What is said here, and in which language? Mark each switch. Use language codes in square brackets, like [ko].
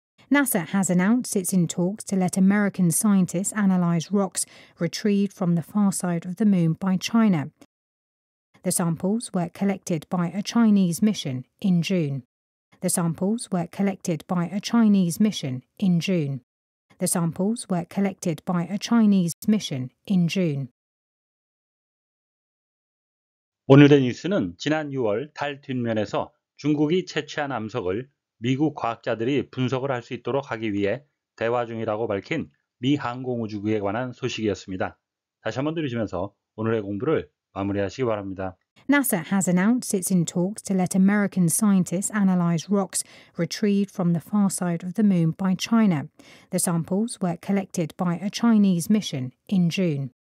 [en] NASA has announced it's in talks to let American scientists analyze rocks retrieved from the far side of the moon by China. The samples were collected by a Chinese mission in June. The samples were collected by a Chinese mission in June. The samples were collected by a Chinese mission in June. [ko] 오늘의 뉴스는 지난 6월 달 뒷면에서 중국이 채취한 암석을 미국 과학자들이 분석을 할 수 있도록 하기 위해 대화 중이라고 밝힌 미 항공우주국에 관한 소식이었습니다. 다시 한번 들으시면서 오늘의 공부를 마무리하시기 바랍니다. [en] NASA has announced it's in talks to let American scientists analyze rocks retrieved from the far side of the moon by China. The samples were collected by a Chinese mission in June.